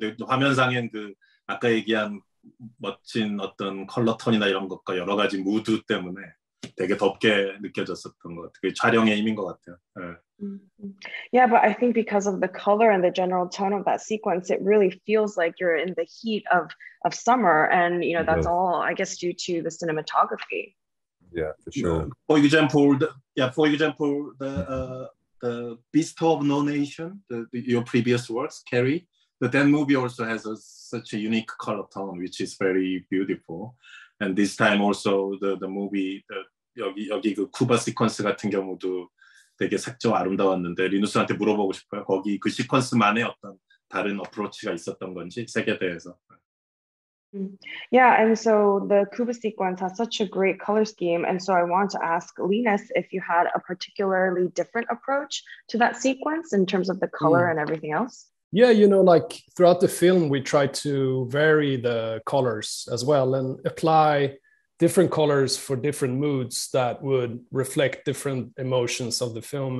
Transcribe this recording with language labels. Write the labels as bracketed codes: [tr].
[ko] 근데 화면상엔 그 아까 얘기한 멋진 어떤 컬러 톤이나 이런 것과 여러 가지 무드 때문에 되게 덥게 느껴졌었던 것 같아요. 그게 촬영의 힘인 것 같아요. 네. [en] Yeah, but I think because of the color and the general tone of that sequence, it really feels like you're in the heat of summer, and you know that's all I guess due to the cinematography. Yeah, for sure. For example, the Beast of No Nation, your previous works, Cary, but that movie also has such a unique color tone, which is very beautiful. And this time also the movie, the [ko] 여기 그 쿠바 [en] sequence [ko] 같은 경우도. 되게 색조 아름다웠는데 리누스한테 물어보고 싶어요. 거기 그 시퀀스만의 어떤 다른 어프로치가 있었던 건지 색에 대해서. [en] Yeah, and so the Cuba sequence has such a great color scheme, and so I want to ask Linus if you had a particularly different approach to that sequence in terms of the color and everything else. Yeah, you know, like throughout the film, we try to vary the colors as well and apply different colors for different moods that would reflect different emotions of the film.